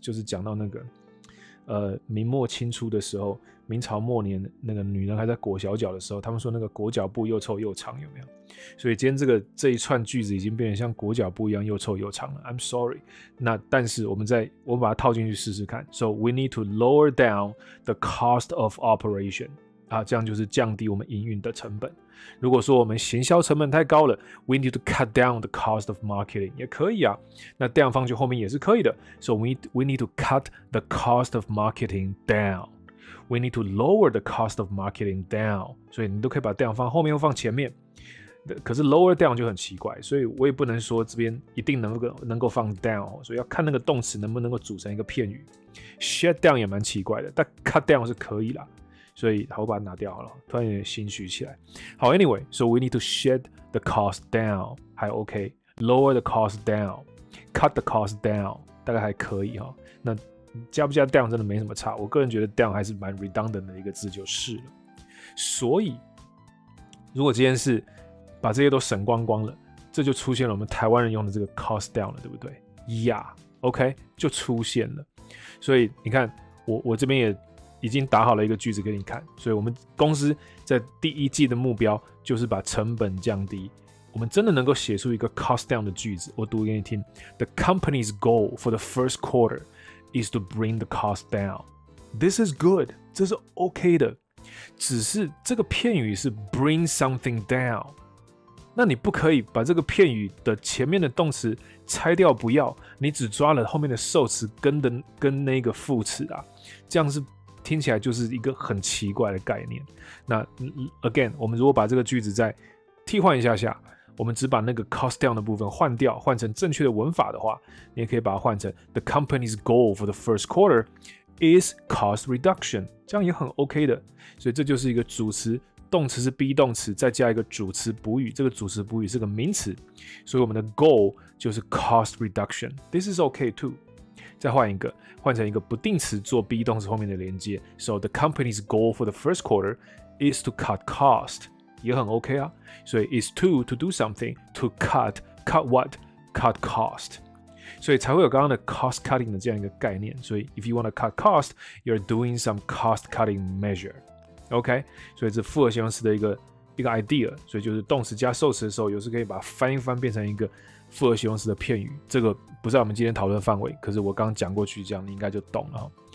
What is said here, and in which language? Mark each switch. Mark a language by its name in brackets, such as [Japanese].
[Chinese] 就是讲到那个明末清初的时候，明朝末年那个女人还在裹小脚的时候，他们说那个裹脚布又臭又长，有没有？所以今天这一串句子已经变得像裹脚布一样又臭又长了。 [English] I'm sorry。 [Chinese] 那但是我把它套进去试试看。 [English] So we need to lower down the cost of operation。 [Chinese] 啊，这样就是降低我们营运的成本。如果说我们行销成本太高了 ， [English] we need to cut down the cost of marketing， [Chinese] 也可以啊。那 down 放进后面也是可以的。 [English] So we need to cut the cost of marketing down。 We need to lower the cost of marketing down。 [Chinese] 所以你都可以把 down 放后面或放前面。可是 lower down 就很奇怪，所以我也不能说这边一定能够放 down， 所以要看那个动词能不能够组成一个片语。 shut down 也蛮奇怪的，但 cut down 是可以啦，所以好，我把它拿掉好了，突然有点心虚起来。 [English] 好 ，anyway， so we need to shut the cost down， [Chinese] 还 OK， [English] lower the cost down， cut the cost down， [Chinese] 大概还可以哈。那加不加 down 真的没什么差，我个人觉得 down 还是蛮 redundant 的一个字就是了。所以如果这件事把这些都省光光了，这就出现了我们台湾人用的这个 cost down 了，对不对？ Yeah， OK， 就出现了。所以你看，我这边也已经打好了一个句子给你看。所以我们公司在第一季的目标就是把成本降低。我们真的能够写出一个 cost down 的句子，我读给你听。 [English] The company's goal for the first quarter is to bring the cost down. This is good， [Chinese] 这是 OK 的。只是这个片语是 bring something down。那你不可以把这个片语的前面的动词拆掉不要，你只抓了后面的受词跟那个副词啊，这样是听起来就是一个很奇怪的概念。那 again， 我们如果把这个句子再替换一下下，我们只把那个 cost down 的部分换掉，换成正确的文法的话，你也可以把它换成 [English] the company's goal for the first quarter is cost reduction， [Chinese] 这样也很 OK 的。所以这就是一个主词。动词是 be 动词，再加一个主词补语，这个主词补语是个名词，所以我们的 goal 就是 cost reduction， [English] this is okay too。 [Chinese] 再换一个，换成一个不定词做 be 动词后面的连接， [English] so the company's goal for the first quarter is to cut cost， [Chinese] 也很 OK 啊。所以 [English] is to do something to cut what cut cost， [Chinese] 所以才会有刚刚的 cost cutting 的这样一个概念。所以 [English] if you want to cut cost you're doing some cost cutting measureOK， [Chinese] 所以这复合形容词的一个 idea， 所以就是动词加受词的时候，有时可以把它翻一翻变成一个复合形容词的片语。这个不在我们今天讨论范围，可是我刚讲过去这样，你应该就懂了。